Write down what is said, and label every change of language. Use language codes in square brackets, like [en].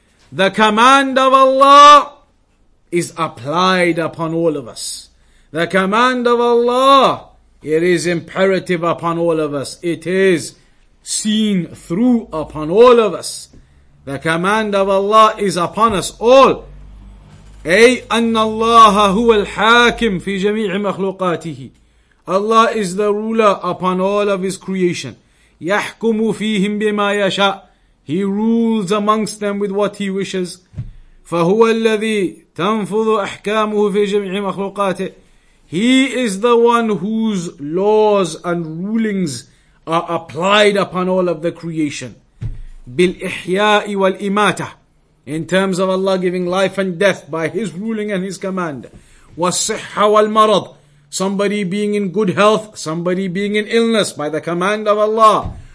[en] The command of Allah is applied upon all of us. The command of Allah, it is imperative upon all of us. It is seen through upon all of us. The command of Allah is upon us all. [ar] أي أن الله هو الحاكم في جميع مخلوقاته. [en] Allah is the ruler upon all of His creation. [ar] يحكم فيهم بما يشاء. [en] He rules amongst them with what He wishes. [ar] فهو الذي تنفذ أحكامه في جميع مخلوقاته. [en] He is the one whose laws and rulings are applied upon all of the creation. [ar] بالإحياء والإماتة. [en] In terms of Allah giving life and death by His ruling and His command. [ar] وَالصِّحَّ وَالْمَرَضِ. [en] Somebody being in good health, somebody being in illness by the command of Allah.